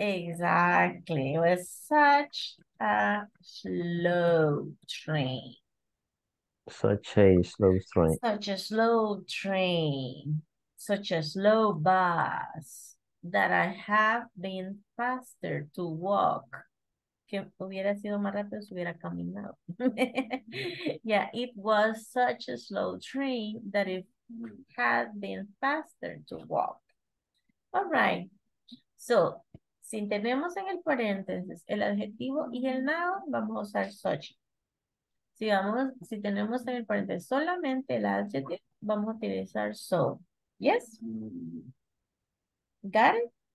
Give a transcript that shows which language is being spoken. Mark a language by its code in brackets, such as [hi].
[en] Exactly. It was such a slow train. Such a slow train. Such a slow train. Such a slow bus that I have been faster to walk. [es] Que hubiera sido más rápido si hubiera caminado. [en] Yeah, it was such a slow train that it had been faster to walk. All right. [es] So, si tenemos en el paréntesis el adjetivo y el noun, vamos a usar such. Si tenemos en el paréntesis solamente el adjetivo, vamos a utilizar so. [en] Yes? Got it?